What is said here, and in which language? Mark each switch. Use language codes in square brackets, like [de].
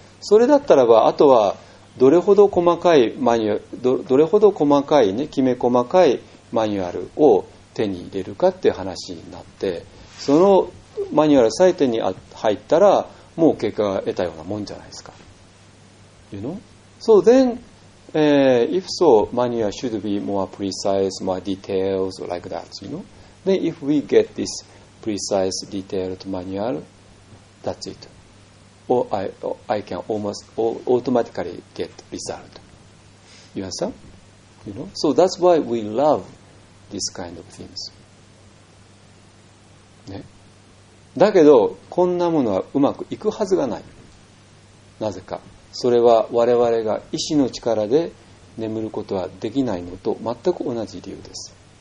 [ja] それだったらば、あとはどれほど細かいマニュアル、どれほど細かいね、きめ細かいマニュアルを手に入れるかっていう話になって、そのマニュアルさえ手に入ったら、もう結果が得たようなもんじゃないですか。 [en] You know? So then,if so, manual should be more precise, more details, like that, you know? Then if we get this precise, detailed manual, that's it. Or I can almost automatically get result. You understand? You know? So that's why we love this kind of things. [ja] ね。だけど、こんなものはうまくいくはずがない。なぜか。それは我々が意志の力で眠ることはできないのと全く同じ理由です。